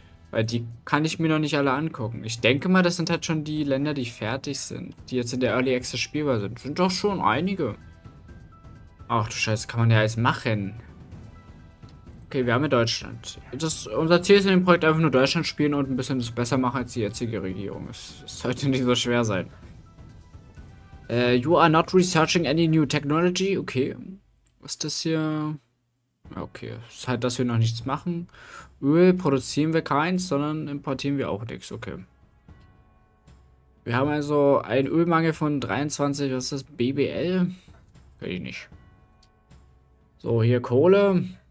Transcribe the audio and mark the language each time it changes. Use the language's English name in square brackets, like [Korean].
[German] Weil die kann ich mir noch nicht alle angucken. Ich denke mal, das sind halt schon die Länder, die fertig sind. Die jetzt in der Early Access spielbar sind. Sind doch schon einige. Ach du Scheiße, kann man ja alles machen. Okay, wir haben ja Deutschland. Unser Ziel ist in dem Projekt einfach nur Deutschland spielen und ein bisschen das besser machen als die jetzige Regierung. Es sollte nicht so schwer sein. [English] You are not researching any new technology. [German] Okay. Was ist das hier? Okay. Ist halt, dass wir noch nichts machen. Öl produzieren wir keins, sondern importieren wir auch nichts. Okay. Wir haben also einen Ölmangel von 23. Was ist das? BBL? Kenn ich nicht. So, hier Kohle.